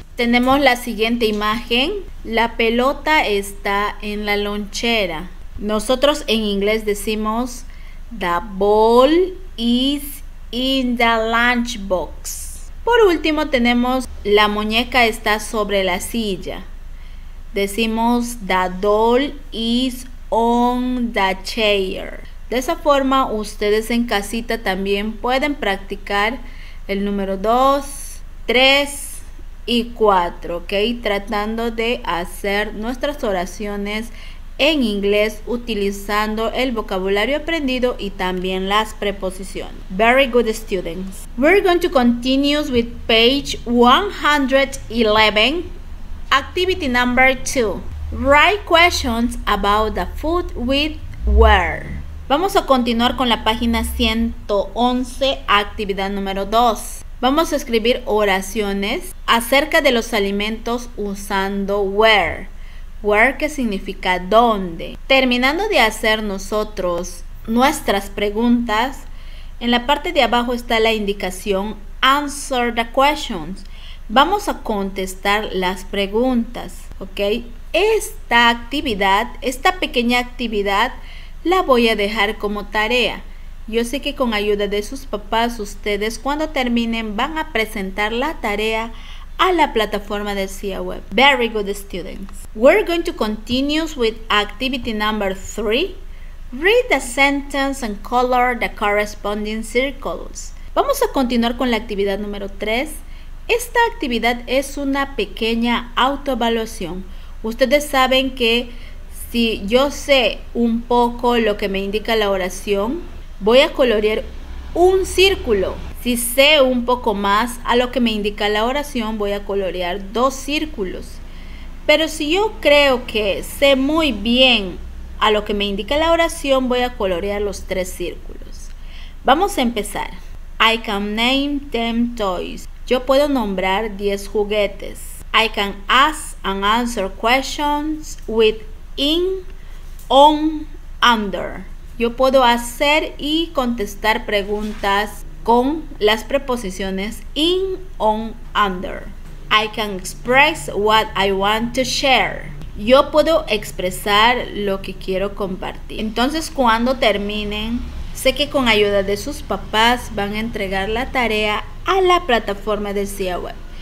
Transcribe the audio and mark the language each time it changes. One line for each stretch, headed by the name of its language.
Spanish: Tenemos la siguiente imagen. La pelota está en la lonchera. Nosotros en inglés decimos,
English: the ball is in the lunchbox.
Spanish: Por último tenemos, la muñeca está sobre la silla. Decimos,
English: the doll is on the chair.
Spanish: De esa forma, ustedes en casita también pueden practicar el número 2, 3 y 4, ¿ok? Tratando de hacer nuestras oraciones en inglés utilizando el vocabulario aprendido y también las preposiciones.
English: Very good students. We're going to continue with page 111. Activity number 2. Write questions about the food with where.
Spanish: Vamos a continuar con la página 111, actividad número 2. Vamos a escribir oraciones acerca de los alimentos usando where. Where que significa dónde. Terminando de hacer nosotros nuestras preguntas, en la parte de abajo está la indicación
English: answer the questions.
Spanish: Vamos a contestar las preguntas, ¿ok? Esta actividad, esta pequeña actividad, la voy a dejar como tarea. Yo sé que con ayuda de sus papás, ustedes cuando terminen van a presentar la tarea a la plataforma de CIA Web.
English: Very good students. We're going to continue with activity number 3. Read the sentence and color the corresponding circles.
Spanish: Vamos a continuar con la actividad número 3. Esta actividad es una pequeña autoevaluación. Ustedes saben que si yo sé un poco lo que me indica la oración, voy a colorear un círculo. Si sé un poco más a lo que me indica la oración, voy a colorear dos círculos. Pero si yo creo que sé muy bien a lo que me indica la oración, voy a colorear los tres círculos. Vamos a empezar.
English: I can name 10 toys.
Spanish: Yo puedo nombrar 10 juguetes.
English: I can ask and answer questions with in, on, under.
Spanish: Yo puedo hacer y contestar preguntas con las preposiciones in, on, under.
English: I can express what I want to share.
Spanish: Yo puedo expresar lo que quiero compartir. Entonces, cuando terminen, sé que con ayuda de sus papás van a entregar la tarea a la plataforma del CIA Web.